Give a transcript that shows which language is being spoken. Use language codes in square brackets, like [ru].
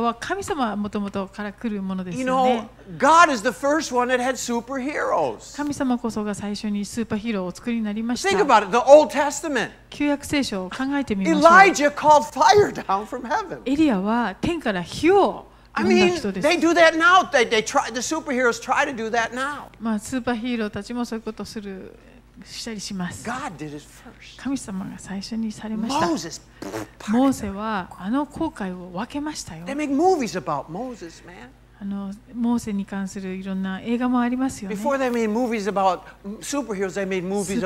[en] You know, God is the first one that had superheroes. [ja] 神様こそが最初にスーパーヒーローを作りになりました。 [en] Think about it, the Old Testament. [ja] 旧約聖書を考えてみましょう。 [en] Elijah called fire down from heaven. [ja] エリアは天から火を呼んだ人です。 [en] I mean, they do that now. They try, the superheroes try to do that now. [ja] まあ、スーパーヒーローたちもそういうことをする、したりします。 [en] God did it first. [ja] 神様が最初にされました。 [en] Moses, [ja] モーセは航海を分けましたよ。 [en] They make movies about Moses, man. [ja] モーセに関するいろんな映画もありますよね。 [en] Before they made movies about superheroes, they made movies about Moses.